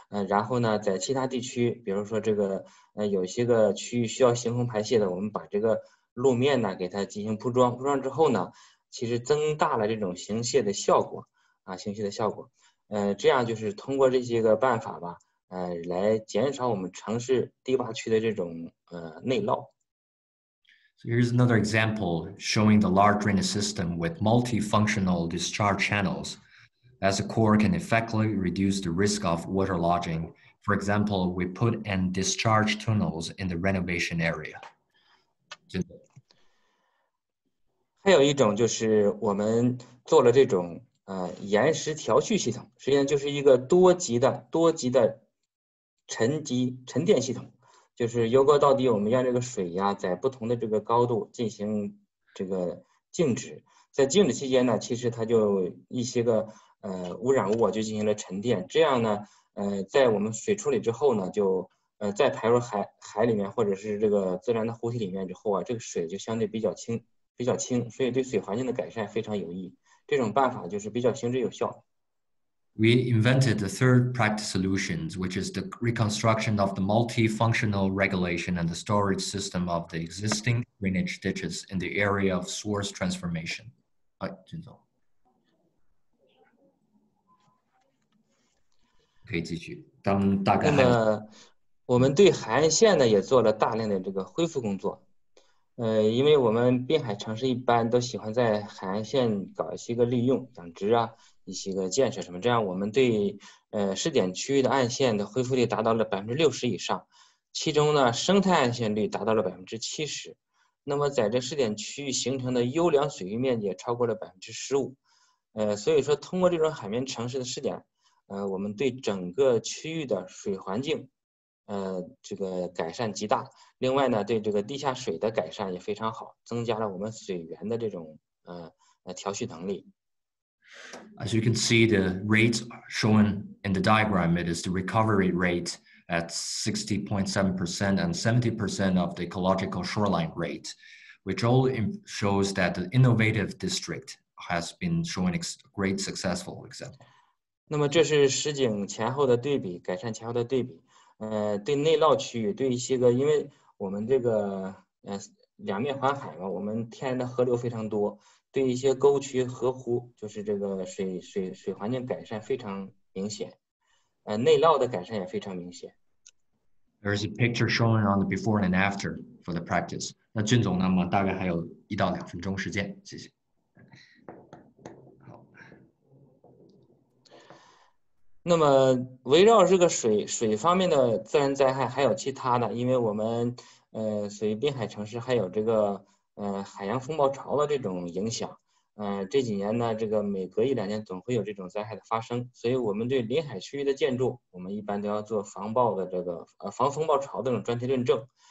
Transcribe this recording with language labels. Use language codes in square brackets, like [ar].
[zh] 然后呢在其他地区，比如说这个有些个区域需要行洪排泄的，我们把这个路面呢给它进行铺装之后呢，其实增大了这种行泄的效果啊，行泄的效果，这样就是通过这些个办法吧，来减少我们城市低洼区的这种内涝。 [en] So here's another example showing the large drainage system with multifunctional discharge channels. As a core can effectively reduce the risk of water lodging. For example, we put in discharge tunnels in the renovation area. [zh] 还有一种就是我们做了这种岩石调蓄系统，实际上就是一个多级的沉淀系统。就是由高到低，我们让这个水呀在不同的这个高度进行这个静止，在静止期间呢，其实它就一些个污染物就进行了沉淀，这样呢在我们水处理之后呢，就再排入海里面或者是这个自然的湖体里面之后啊，这个水就相对比较清，所以对水环境的改善非常有益，这种办法就是比较行之有效。 [en] We invented the third practice solutions, which is the reconstruction of the multifunctional regulation and the storage system of the existing drainage ditches in the area of source transformation. [zh] 哎，俊总，可以继续。当大概那么，我们对海岸线呢也做了大量的这个恢复工作。因为我们滨海城市一般都喜欢在海岸线搞一些个利用、养殖啊。一些个建设什么，这样我们对试点区域的岸线的恢复率达到了60%以上，其中呢生态岸线率达到了70%，那么在这试点区域形成的优良水域面积也超过了15%，所以说通过这种海绵城市的试点，我们对整个区域的水环境，这个改善极大，另外呢对这个地下水的改善也非常好，增加了我们水源的这种调蓄能力。 [en] As you can see, the rate shown in the diagram, it is the recovery rate at 60.7% and 70% of the ecological shoreline rate, which all shows that the innovative district has been showing great successful example. [zh] 那么这是实景前后的对比，改善前后的对比。对内涝区域，对一些个，因为我们这个两面环海嘛，我们天然的河流非常多，对一些沟渠河湖就是这个水环境改善非常明显，内涝的改善也非常明显。 [en] There is a picture shown on the before and after for the practice. [zh] 那俊总那么大概还有一到两分钟时间，谢谢。那么围绕这个水方面的自然灾害还有其他的，因为我们属于滨海城市，还有这个海洋风暴潮的这种影响，这几年呢，这个每隔一两年总会有这种灾害的发生，所以我们对临海区域的建筑，我们一般都要做防暴的这个防风暴潮的这种专题论证。